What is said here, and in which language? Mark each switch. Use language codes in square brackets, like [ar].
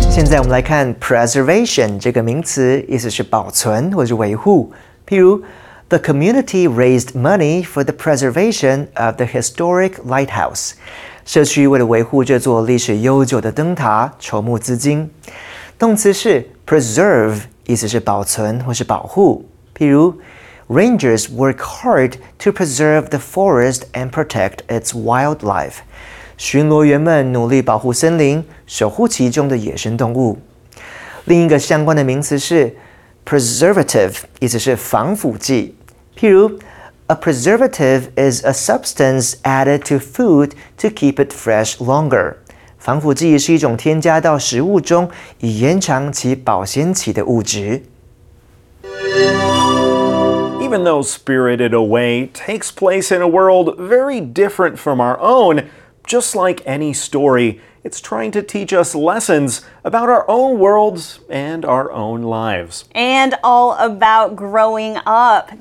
[en] Now let's look at preservation. This word means to preserve or to maintain. For example, the community raised money for the preservation of the historic lighthouse. [zh] 社区为了维护这座历史悠久的灯塔，筹募资金。动词是 preserve， 意思是保存或是保护。 [en] 譬如 ，Rangers work hard to preserve the forest and protect its wildlife。 [zh] 巡逻员们努力保护森林，守护其中的野生动物。另一个相关的名词是 preservative， 意思是防腐剂。 [en] 譬如 a preservative is a substance added to food to keep it fresh longer. [zh] 防腐剂是一种添加到食物中以延长其保鲜期的物质。 [en] Even though Spirited Away takes place in a world very different from our own, just like any story,It's trying to teach us lessons about our own worlds and our own lives. And all about growing up.